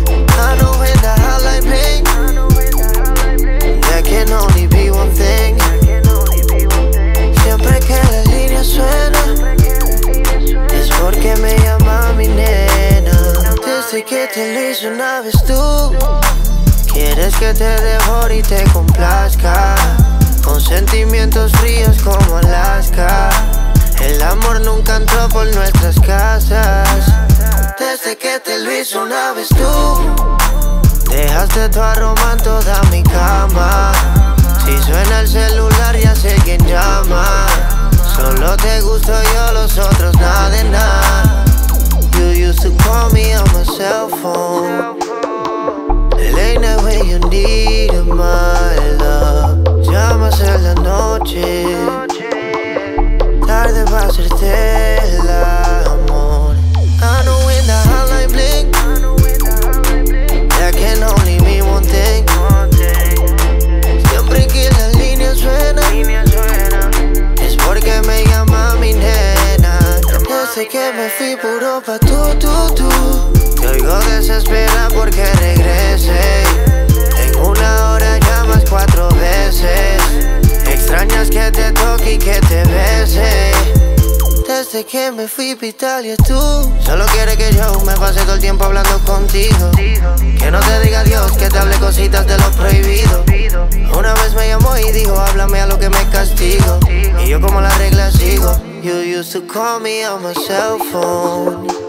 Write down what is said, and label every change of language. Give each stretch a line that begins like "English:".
English: I know in the hotline bling that can only be one thing.
Spanish: Siempre que la línea suena es porque me llama mi nena. Desde que te lo hice una vez tú, quieres que te devore y te complazca, con sentimientos fríos como Alaska. El amor nunca entró por nuestras casas. Desde que te lo hice una vez tú, dejaste tu aroma en toda mi cama. Si suena el celular ya sé quién llama. Solo te gusto yo, los otros nada de nada.
English: You used to call me on my cell phone. Late night when you need my love.
Spanish: Llamas en la noche, tarde pa' hacerte el amor.
English: I know when the hotline bling that can only be one thing.
Spanish: Siempre que la línea suena es porque me llama mi nena. Desde que me fui puro pa' tú, tú, tú. Te oigo desespera porque regrese. En una hora llamas cuatro veces. Extrañas que te toque y que te bese. Desde que me fui a Italia tú, solo quiere que yo me pase todo el tiempo hablando contigo. Que no te diga adiós, que te hable cositas de lo prohibido. Una vez me llamó y dijo háblame a lo que me castigo. Y yo como la regla sigo.
English: You used to call me on my cell phone.